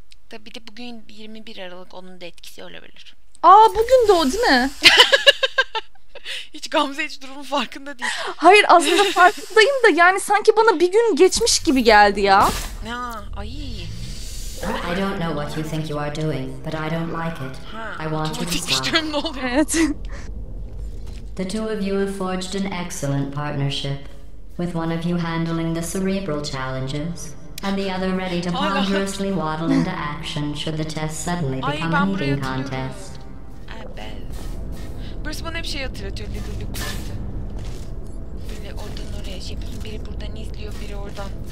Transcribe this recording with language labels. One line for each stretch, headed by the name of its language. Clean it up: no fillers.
Turkish: Tabi de bugün 21 Aralık onun da etkisi olabilir. Aa bugün de o değil mi? Hiç Gamze hiç durumun farkında değil. Hayır aslında farkındayım da yani sanki bana bir gün geçmiş gibi geldi ya. Ya ay.
English: I don't know what you think you are doing but I don't like it. I want to stop.
Turkish: Tutuşturum ne oluyor? Evet.
English: The two of you have forged an excellent partnership, with one of you handling the cerebral challenges, and the other ready to ponderously waddle into action should the test suddenly become an eating contest.
Turkish: Burası bana hep şey hatırlatıyor, Little Big'de. Böyle oradan oraya şey yapayım, biri buradan izliyor, biri oradan.